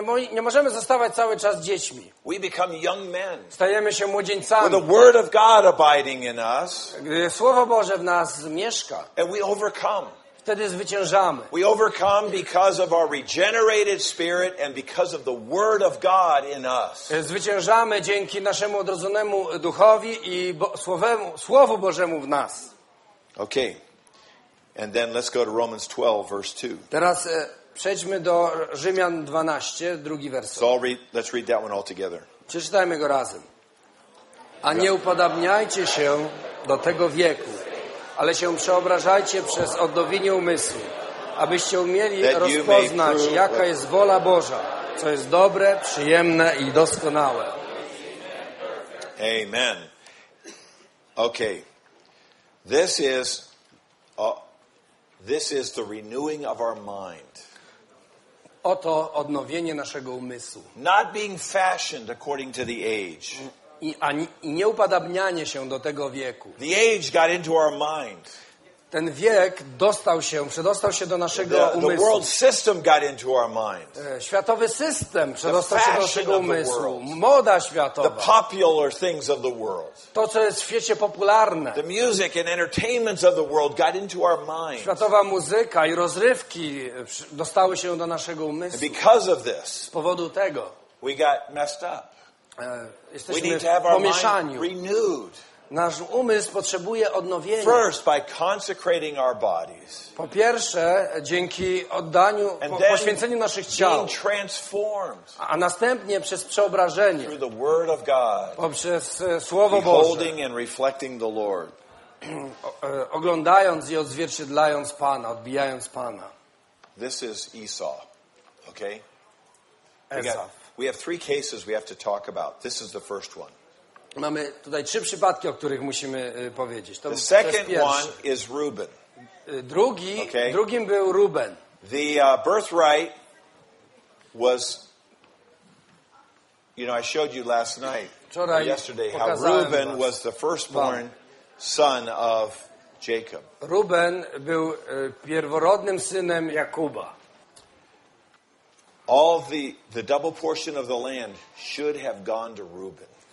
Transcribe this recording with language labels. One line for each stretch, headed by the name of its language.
Polish: Nie możemy zostawać cały czas dziećmi.
English: We become young men.
Polish: Stajemy się młodzieńcami.
English: With the word of God abiding in us.
Polish: Gdy Słowo Boże w nas mieszka.
English: And we overcome.
Polish: Wtedy zwyciężamy.
English: We overcome because of our regenerated spirit and because of the word of God in us.
Polish: Zwyciężamy dzięki naszemu odrodzonemu duchowi i Słowu Bożemu w nas.
English: Okay. And then let's go to Romans 12 verse 2.
Polish: Teraz przejdźmy do Rzymian 12, drugi werset.
English: So let's read that one all together.
Polish: Przeczytajmy go razem. A nie upodabniajcie się do tego wieku, ale się przeobrażajcie przez odnowienie umysłu, abyście umieli rozpoznać, jaka jest wola Boża, co jest dobre, przyjemne i doskonałe.
English: Amen. Okay. This is the renewing of our mind.
Polish: Oto odnowienie naszego umysłu.
English: Not being fashioned according to the age.
Polish: I nie upodabnianie się do tego wieku.
English: The age got into our mind.
Polish: Ten wiek przedostał się do naszego umysłu.
English: The world system got into our mind.
Polish: Światowy system przedostał się do naszego umysłu. Moda światowa.
English: The popular things of the world.
Polish: To, co jest w świecie popularne.
English: The music and entertainments of the world got into our mind.
Polish: Światowa muzyka i rozrywki dostały się do naszego umysłu.
English: And because of this,
Polish: z powodu tego,
English: we got messed up.
Polish: Jesteśmy
English: we need to have our mind renewed.
Polish: Nasz umysł potrzebuje odnowienia.
English: First, by consecrating our bodies.
Polish: Po pierwsze, dzięki oddaniu, poświęceniu naszych ciał.
English: Being transformed.
Polish: A następnie przez przeobrażenie.
English: Through the word of God.
Polish: Poprzez Słowo Boże.
English: Beholding and reflecting the Lord.
Polish: Oglądając i odzwierciedlając Pana, odbijając Pana.
English: This is Esau. Okay? We have three cases we have to talk about. This is the first one.
Polish: Mamy tutaj trzy przypadki, o których musimy powiedzieć.
English: The second one is Reuben.
Polish: Drugim był Reuben.
English: The birthright was, you know, I showed you last night, or yesterday, how Reuben was the firstborn son of Jacob.
Polish: Reuben był pierworodnym synem Jakuba.
English: All the double portion of the land should have gone to Reuben.